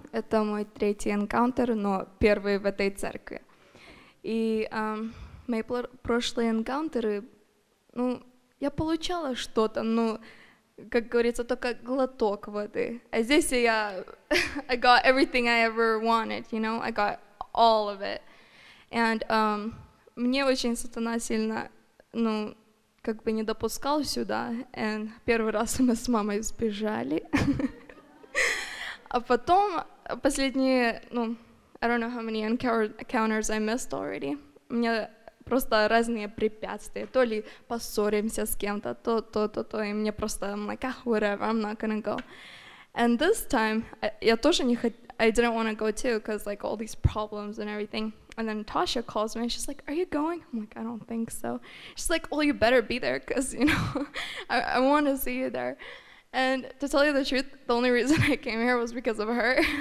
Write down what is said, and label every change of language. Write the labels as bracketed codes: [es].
[ru] Это мой третий энкаунтер, но первый в этой церкви. И мои прошлые энкаунтеры, ну, я получала что-то, ну, как говорится, только глоток воды. А здесь я [en] I got everything I ever wanted, you know? I got all of it. [ru] And мне очень сатана сильно, ну, как бы не допускал сюда. And первый раз мы с мамой сбежали. А потом последние, ну, [en] I don't know how many encounters I missed already. [ru] У меня просто разные препятствия. То ли поссоримся с кем-то, то. И мне просто, [en] I'm like, ah, whatever, I'm not gonna go. And this time, [ru] я тоже не хотела, [en] I didn't want to go too, because like all these problems and everything. And then Tasha calls me, and she's like, are you going? I'm like, I don't think so. She's like, well, you better be there, because, you know, I want to see you there. And to tell you the truth, the only reason I came here was because of her.